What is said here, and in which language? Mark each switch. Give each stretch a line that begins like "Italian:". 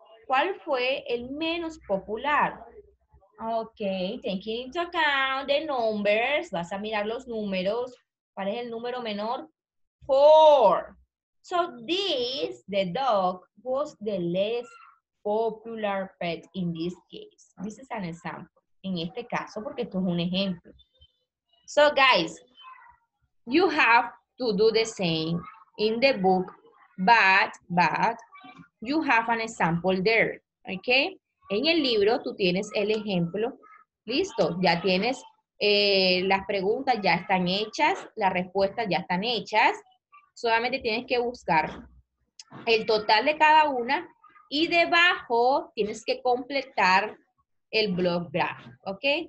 Spanish: ¿Cuál fue el menos popular? Okay,
English: taking into account the numbers,
Spanish: vas a mirar los números. ¿Cuál es el número menor? 4.
English: So this, the dog, was the less popular pet in this case. This is an example.
Spanish: En este caso, porque esto es un ejemplo.
English: So guys, you have to do the same in the book, but you have an example there, okay?
Spanish: En el libro, tú tienes el ejemplo. Listo, ya tienes las preguntas, ya están hechas, las respuestas ya están hechas. Solamente tienes que buscar el total de cada una y debajo tienes que completar el block graph, ¿ok?